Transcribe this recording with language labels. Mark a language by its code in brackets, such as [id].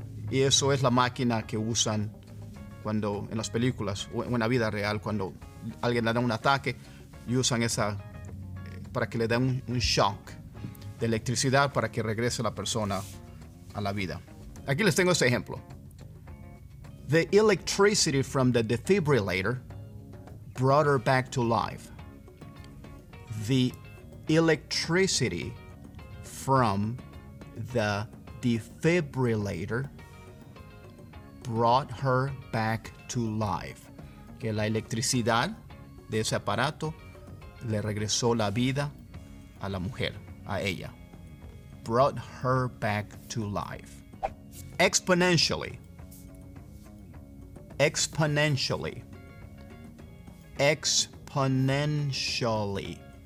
[es] Y eso es la máquina que usan cuando en las películas o en la vida real, cuando alguien le da un ataque y usan esa para que le den un shock de electricidad para que regrese la persona a la vida. Aquí les tengo este ejemplo. [en] The electricity from the defibrillator brought her back to life. The electricity from the defibrillator brought her back to life. [es] Que la electricidad de ese aparato le regresó la vida a la mujer, a ella. [en] Brought her back to life. Exponentially. Exponentially. Exponentially.